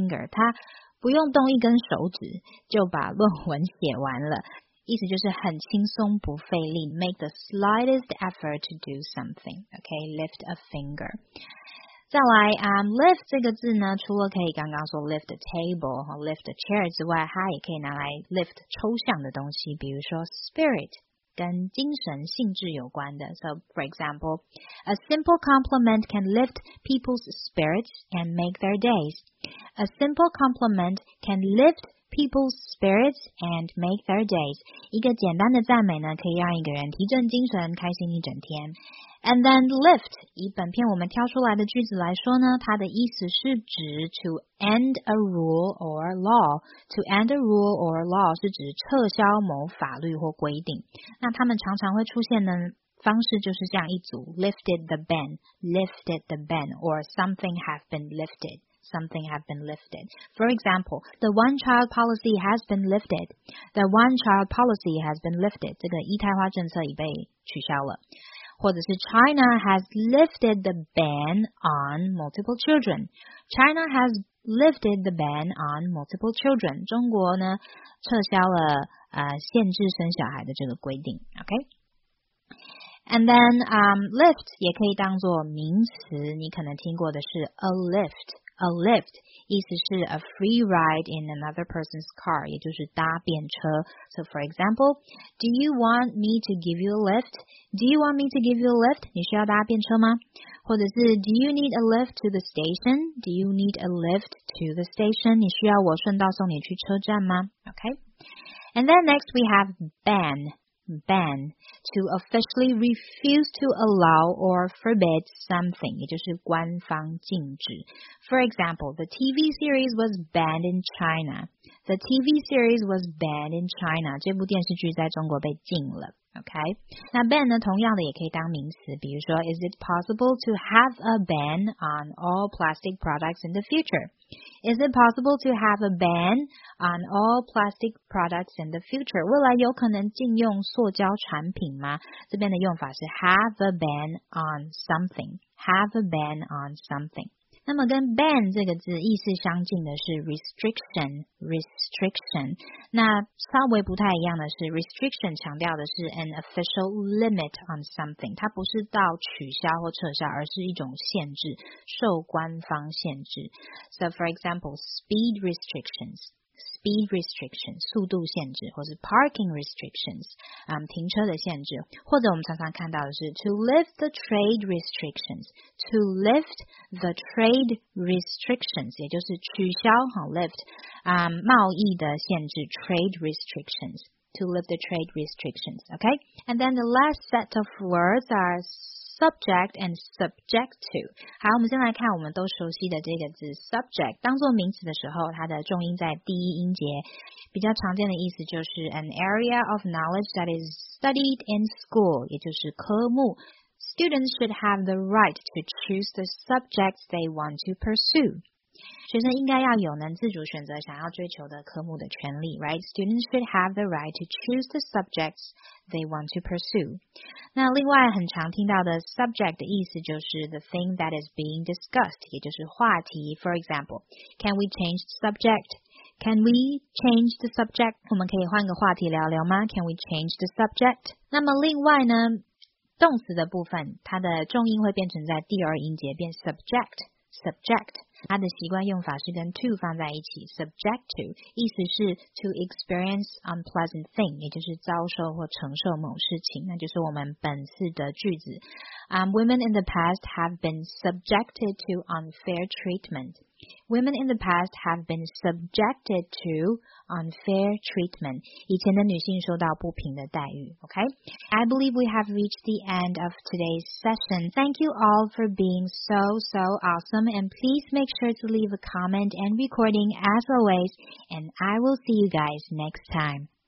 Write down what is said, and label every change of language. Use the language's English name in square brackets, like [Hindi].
[Chinese] 他不用动一根手指就把论文写完了，意思就是很轻松不费力 ， [English] make the slightest effort to do something. Okay, lift a finger. [Chinese] 再来 ，lift 这个字呢，除了可以刚刚说 lift a table 和 lift a chair 之外，它也可以拿来 lift 抽象的东西，比如说 spirit 跟精神性质有关的。 [English] So, for example, a simple compliment can lift people's spirits and make their days. A simple compliment can lift people's spirits and make their days. [Chinese] 一个简单的赞美呢，可以让一个人提振精神，开心一整天。 And then lift, 以本篇我们挑出来的句子来说呢，它的意思是指 [English] to end a rule or law. To end a rule or law [Chinese] 是指撤销某法律或规定。那他们常常会出现呢方式就是这样一组 [English] lifted the ban, or something has been lifted. Something have been lifted. For example, the one-child policy has been lifted. The one-child policy has been lifted. [Chinese] 这个一胎化政策已被取消了。 [English] 或者是 China has lifted the ban on multiple children. China has lifted the ban on multiple children. [Chinese] 中国呢撤销了、限制生小孩的这个规定。OK? [English] And then, [Chinese] lift 也可以当作名词，你可能听过的是 a lift, [English] A lift [Chinese] 意思是 [English] a free ride in another person's car, [Chinese] 也就是搭便车。 [English] So for example, do you want me to give you a lift? Do you want me to give you a lift? [Chinese] 你需要搭便车吗？或者是 [English] do you need a lift to the station? Do you need a lift to the station? [Chinese] 你需要我顺道送你去车站吗？ [English] Okay. And then next we have ban. Ban, to officially refuse to allow or forbid something, [Chinese] 也就是官方禁止。 [English] For example, the TV series was banned in China. The TV series was banned in China. [Chinese] 这部电视剧在中国被禁了。 [English] Okay? [Chinese] 那 ban 呢同样的也可以当名词，比如说 [English] Is it possible to have a ban on all plastic products in the future? Is it possible to have a ban on all plastic products in the future? [Chinese] 未来有可能禁用塑胶产品吗？这边的用法是 have a ban on something. [English] Have a ban on something. [Chinese] 那么跟 ban 这个字意思相近的是 restriction. Restriction. 那稍微不太一样的是 restriction 强调的是 [English] an official limit on something. [Chinese] 它不是到取消或撤销，而是一种限制，受官方限制。 [English] So for example, speed restrictions. Speed restrictions, [Chinese] 速度限制， [English] 或是 parking restrictions,、 [Chinese] 停车的限制， [English] 或者我们常常看到的是 to lift the trade restrictions, to lift the trade restrictions, [Chinese] 也就是取消、 [English] lift、贸易的限制 trade restrictions, to lift the trade restrictions, okay? And then the last set of words are subject and subject to. [Chinese] 好，我们先来看我们都熟悉的这个字 subject. 当作名词的时候，它的重音在第一音节。比较常见的意思就是 [English] an area of knowledge that is studied in school, [Chinese] 也就是科目。 [English] Students should have the right to choose the subjects they want to pursue. [Chinese] 学生应该要有能自主选择想要追求的科目的权利 ，right? [English] Students should have the right to choose the subjects they want to pursue. [Chinese] 那另外很常听到的 subject 的意思就是 [English] the thing that is being discussed, [Chinese] 也就是话题。 [English] For example, can we change the subject? Can we change the subject? [Chinese] 我们可以换个话题聊聊吗 ？ [English] Can we change the subject? [Chinese] 那么另外呢，动词的部分，它的重音会变成在第二音节，变 subject。 Subject, 它的习惯用法是跟 to 放在一起 ,subject to, 意思是 [English] to experience unpleasant thing, [Chinese] 也就是遭受或承受某事情，那就是我们本次的句子。 [English] Women in the past have been subjected to unfair treatment. Women in the past have been subjected to unfair treatment. [Chinese] 以前的女性受到不平的待遇 ,okay? [English] I believe we have reached the end of today's session. Thank you all for being so, so awesome. And please make sure to leave a comment and recording as always. And I will see you guys next time.